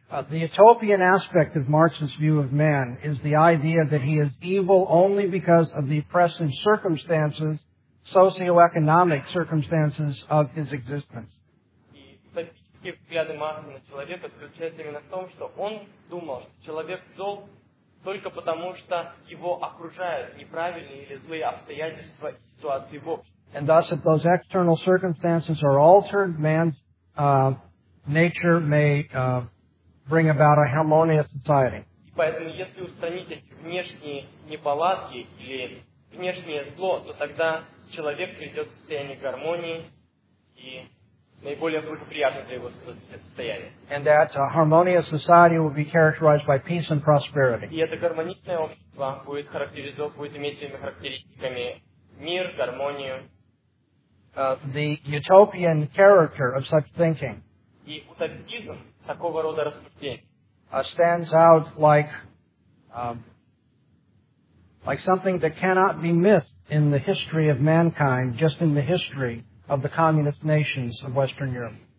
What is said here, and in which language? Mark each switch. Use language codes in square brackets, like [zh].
[en] The utopian aspect of Marx's view of man is the idea that he is evil only because of the oppressive circumstances, socioeconomic circumstances of his existence. [ru] И статистические взгляды Маркса на человека заключаются именно в том, что он думал, что человек зол только потому, что его окружают неправильные или злые обстоятельства и ситуации в обществе. [en] And thus, if those external circumstances are altered, man's nature may bring about a harmonious society. [ru] И поэтому, если устранить эти внешние неполадки или внешнее зло, то тогда человек придет в состояние гармонии и наиболее благоприятное для его состояния. [en] And that harmonious society will be characterized by peace and prosperity. [ru] И это гармоничное общество будет характеризовано, будет иметь своими характеристиками мир, гармонию. [en] The utopian character of such thinking. [ru] И утопизм такого рода рассуждений. [en] Stands out like something that cannot be missed in the history of mankind, just in the history of the communist nations of Western Europe.